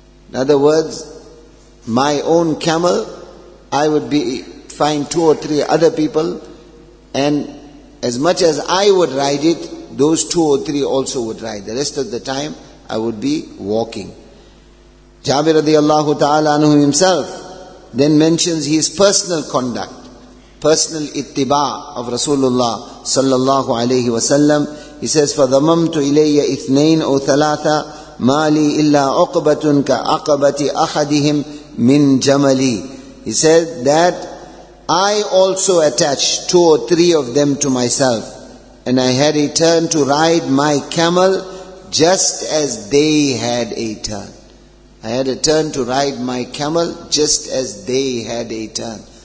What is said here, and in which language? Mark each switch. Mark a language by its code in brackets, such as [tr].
[en] In other words, my own camel, I would find two or three other people, and as much as I would ride it, those two or three also would ride. The rest of the time, I would be walking. Jabir radiallahu ta'ala anhu himself then mentions his personal conduct, personal ittiba of Rasulullah sallallahu alayhi wa sallam. He says, [ar] فَضَمَمْتُ إِلَيَّ إِثْنَيْنْ أَوْ ثَلَاثَ مَالِي إِلَّا عُقْبَةٌ كَعَقَبَةِ أَحَدِهِمْ مِنْ جَمَلِي. [en] He said that I also attached two or three of them to myself, and I had a turn to ride my camel just as they had a turn. I had a turn to ride my camel just as they had a turn.